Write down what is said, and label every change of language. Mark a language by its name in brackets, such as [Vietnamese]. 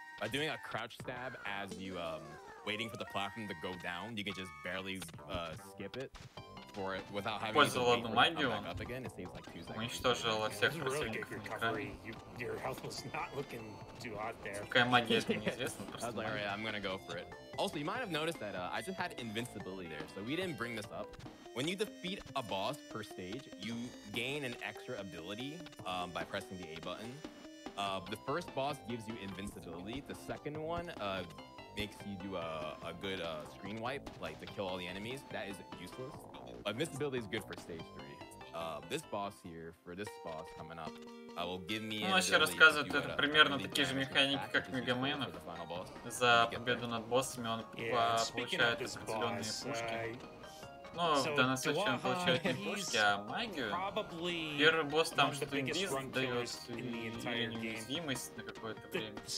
[English] By doing a crouch stab as you waiting for the platform to go down, you can just barely skip it for it without having [Russian] пользовал одну магию. Он [English] again, like [Russian] уничтожил всех противников. Какая магия, это неизвестно. [English] When you defeat a boss per stage, you gain an extra ability by pressing the A button. The first boss gives you invincibility. The second one makes you do a good screen wipe, like to kill all the enemies. That is useless. Invincibility is good for stage 3. This boss here, for this boss coming up, will give me. [Russian] Ну, еще рассказывают, это примерно такие же механики, как Мегаменов. За победу над боссами он получает определенные пушки. Ну, в данном случае он получает не пушки, а магию. Первый босс там что-то инвиз дает или неуязвимость на какое-то время.